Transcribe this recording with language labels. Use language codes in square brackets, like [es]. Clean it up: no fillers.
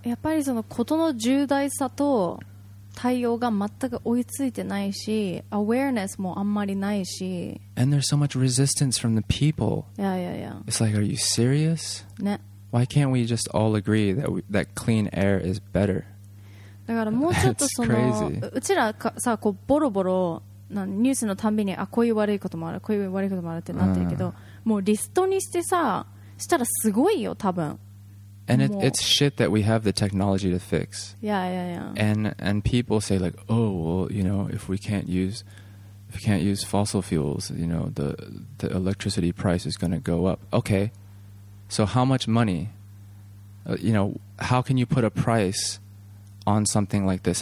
[ja] やっぱりその事の重大さと対応が全く追いついてないし、awareness もあんまりないし。 [en] And there's so much resistance from the people. Yeah, yeah, yeah. It's like, are you serious? [ja] ね。 [en] Why can't we just all agree that that clean air is better? [ja] だからもうちょっとその、 [en] That's crazy. [ja] うちらさ、こうボロボロ、なんニュースのたんびに、あ、こういう悪いこともある、こういう悪いこともあるってなってるけど、もうリストにしてさ、したらすごいよ、多分。 [en] And it's shit that we have the technology to fix. Yeah, yeah, yeah. And people say like, oh, well, you know, if we can't use fossil fuels, you know, the electricity price is going to go up. Okay, so how much money, you know, how can you put a price on something like this?